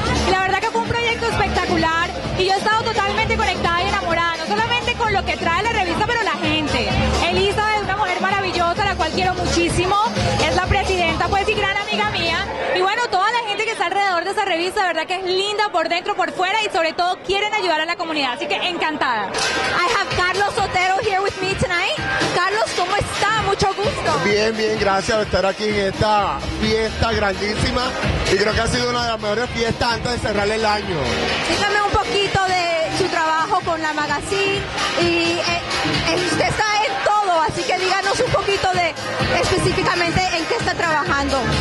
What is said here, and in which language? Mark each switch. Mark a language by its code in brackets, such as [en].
[es] Y la verdad que fue un proyecto espectacular y yo he estado totalmente conectada y enamorada, no solamente con lo que trae la revista, pero la gente. Elisa es una mujer maravillosa, la cual quiero muchísimo, es la presidenta, pues, y gran amiga mía. Y bueno, toda la gente que está alrededor de esa revista, de verdad que es linda por dentro, por fuera, y sobre todo quieren ayudar a la comunidad, así que encantada. [en] I have Carlos Otero here with me tonight. [es] Carlos, ¿cómo está? Mucho gusto. Bien, bien, gracias por estar aquí en esta fiesta grandísima, y creo que ha sido una de las mejores fiestas antes de cerrar el año. Dígame un poquito de su trabajo con la magazine, y usted está en todo, así que díganos un poquito de específicamente en qué está trabajando.